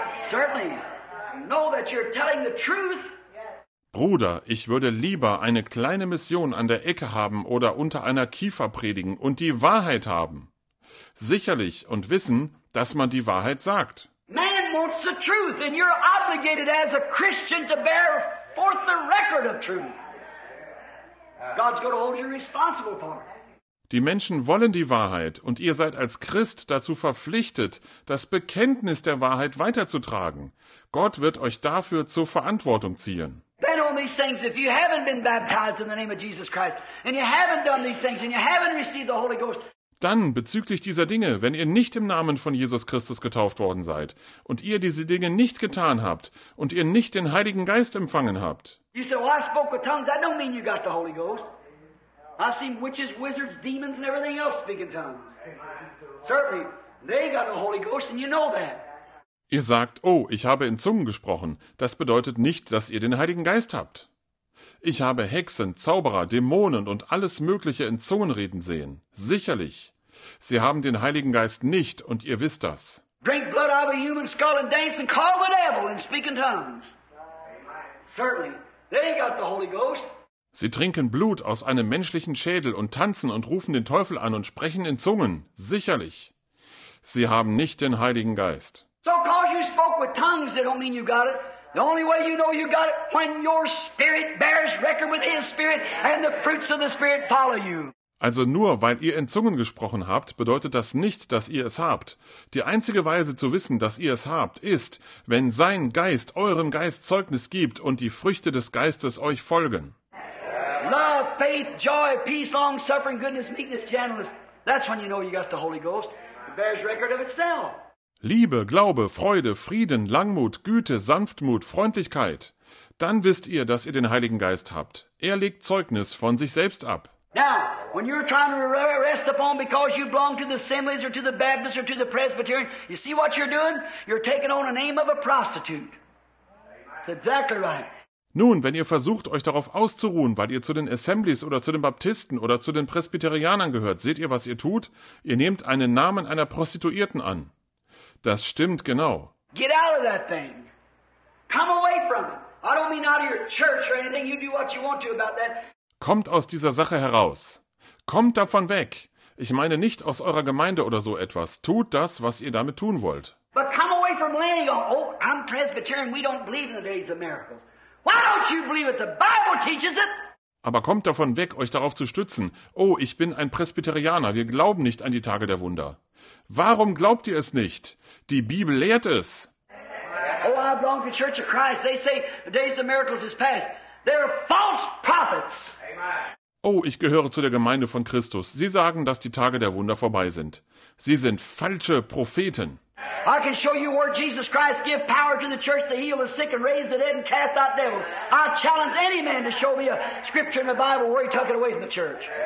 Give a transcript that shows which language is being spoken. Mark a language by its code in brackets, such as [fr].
[en] Certainly. Know that you're telling the truth. [de] Bruder, ich würde lieber eine kleine Mission an der Ecke haben oder unter einer Kiefer predigen und die Wahrheit haben. Sicherlich und wissen, dass man die Wahrheit sagt. [en] Man wants the truth and you're obligated as a Christian to bear forth the record of truth. God's going to hold you responsible for it. [de] Die Menschen wollen die Wahrheit und ihr seid als Christ dazu verpflichtet, das Bekenntnis der Wahrheit weiterzutragen. Gott wird euch dafür zur Verantwortung ziehen. [en] Then on these things, if you haven't been baptized in the name of Jesus Christ, and you haven't done these things, and you haven't received the Holy Ghost. [de] Dann bezüglich dieser Dinge, wenn ihr nicht im Namen von Jesus Christus getauft worden seid und ihr diese Dinge nicht getan habt und ihr nicht den Heiligen Geist empfangen habt. [en] You say, well, I spoke with tongues. That don't mean you got the Holy Ghost. I've seen witches, wizards, demons, and everything else speak in tongues. Certainly, they got the Holy Ghost, and you know that. [de] Ihr sagt, oh, ich habe in Zungen gesprochen. Das bedeutet nicht, dass ihr den Heiligen Geist habt. Ich habe Hexen, Zauberer, Dämonen und alles Mögliche in Zungen reden sehen. Sicherlich. Sie haben den Heiligen Geist nicht und ihr wisst das. [en] Drink blood out of a human skull and dance and call the devil and speak in tongues. Certainly. They got the Holy Ghost. [de] Sie trinken Blut aus einem menschlichen Schädel und tanzen und rufen den Teufel an und sprechen in Zungen. Sicherlich. Sie haben nicht den Heiligen Geist. [en] So, cause you spoke with tongues, that don't mean you got it. The only way you know you got it, when your spirit bears record with his spirit, and the fruits of the spirit follow you. [de] Also nur, weil ihr in Zungen gesprochen habt, bedeutet das nicht, dass ihr es habt. Die einzige Weise zu wissen, dass ihr es habt, ist, wenn sein Geist eurem Geist Zeugnis gibt und die Früchte des Geistes euch folgen. [en] Love, faith, joy, peace, long suffering, goodness, meekness, gentleness. That's when you know you got the Holy Ghost. It bears record of itself. [de] Liebe, Glaube, Freude, Frieden, Langmut, Güte, Sanftmut, Freundlichkeit. Dann wisst ihr, dass ihr den Heiligen Geist habt. Er legt Zeugnis von sich selbst ab. [en] Now, when you're trying to rest upon because you belong to the Assemblies or to the Baptists or to the Presbyterian, you see what you're doing? You're taking on the name of a prostitute. That's exactly right. [de] Nun, wenn ihr versucht, euch darauf auszuruhen, weil ihr zu den Assemblies oder zu den Baptisten oder zu den Presbyterianern gehört, seht ihr, was ihr tut? Ihr nehmt einen Namen einer Prostituierten an. Das stimmt genau. [en] Get out of that thing. Come away from it. I don't mean out of your church or anything. You do what you want to about that. [de] Kommt aus dieser Sache heraus. Kommt davon weg. Ich meine nicht aus eurer Gemeinde oder so etwas. Tut das, was ihr damit tun wollt. [en] But come away from laying on. Oh, I'm Presbyterian. We don't believe in the days of miracles. Why don't you believe it? The Bible teaches it. [de] Aber kommt davon weg, euch darauf zu stützen. Oh, ich bin ein Presbyterianer, wir glauben nicht an die Tage der Wunder. Warum glaubt ihr es nicht? Die Bibel lehrt es. [en] Oh, I belong to the Church of Christ. They say the days of miracles is past. They're false prophets. [de] Oh, ich gehöre zu der Gemeinde von Christus. Sie sagen, dass die Tage der Wunder vorbei sind. Sie sind falsche Propheten. [en] I can show you where Jesus Christ gave power to the church to heal the sick and raise the dead and cast out devils. I challenge any man to show me a scripture in the Bible where he took it away from the church.